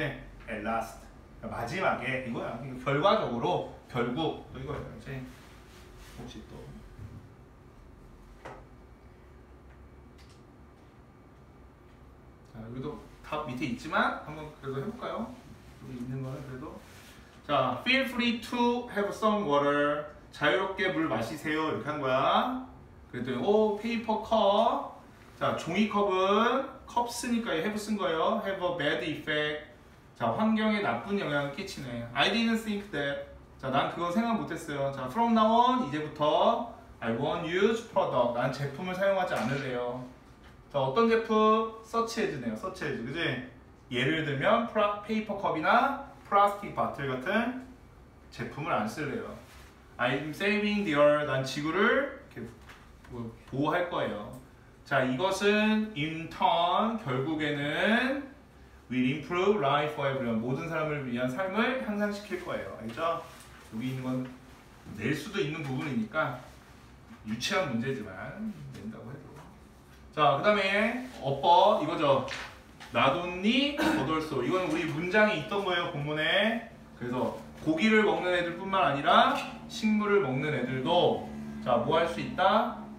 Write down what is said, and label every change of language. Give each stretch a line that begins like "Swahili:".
English: At last
Korean: 마지막에 이거야. 결과적으로 결국 또 이거야. 그치? 혹시 또 여기도 다 밑에 있지만 한번 그래도 해볼까요? 여기 있는 거는 그래도 자
English: feel free to have some water.
Korean: 자유롭게 물 마시세요 이렇게 한 거야. 그랬더니 오 페이퍼 컵. 자 종이컵은 컵 쓰니까 have 쓴 거예요.
English: have a bad effect.
Korean: 자 환경에 나쁜 영향을 끼치네.
English: I didn't think that.
Korean: 자 난 그건 생각 못했어요.
English: 자 from now on 이제부터 I won't use product.
Korean: 난 제품을 사용하지 않을래요. 자 어떤 제품? 서치해주네요. 서치해주, 그지? 예를 들면 페이퍼 컵이나 플라스틱 바틀 같은 제품을 안 쓸래요.
English: I'm saving the earth.
Korean: 난 지구를 이렇게 보호할 거예요. 자 이것은
English: in turn
Korean: 결국에는
English: will improve life for everyone.
Korean: 모든 사람을 위한 삶을 향상시킬 거예요. 알죠? 여기 있는 건 낼 수도 있는 부분이니까 유치한 문제지만 낸다고 해도. 자, 그 다음에 어퍼 이거죠. 나돈니 어덜소. 이건 우리 문장에 있던 거예요, 본문에. 그래서 고기를 먹는 애들 뿐만 아니라 식물을 먹는 애들도 자, 뭐 할 수 있다?